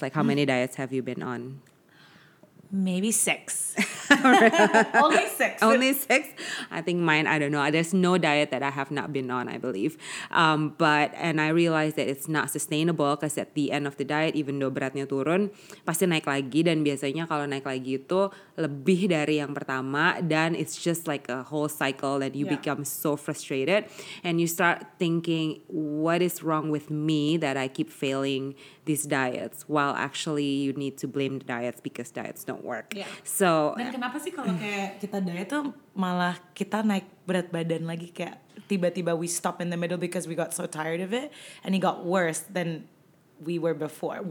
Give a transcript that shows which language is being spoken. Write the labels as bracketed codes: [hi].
[en] Like, how many diets have you been on? Maybe six. Only six. I think mine, I don't know. There's no diet that I have not been on, I believe. But I realized that it's not sustainable because at the end of the diet, even though [id] beratnya turun, pasti naik lagi. Dan biasanya kalau naik lagi itu lebih dari yang pertama. Dan [en] it's just like a whole cycle that you become so frustrated. And you start thinking, what is wrong with me that I keep failing these diets? While actually you need to blame the diets because diets don't work. Yeah. So. [id] Dan kenapa sih kalau kayak kita diet tuh malah kita naik berat badan lagi kayak tiba-tiba [en] we stop in the middle because we got so tired of it and it got worse than we were before.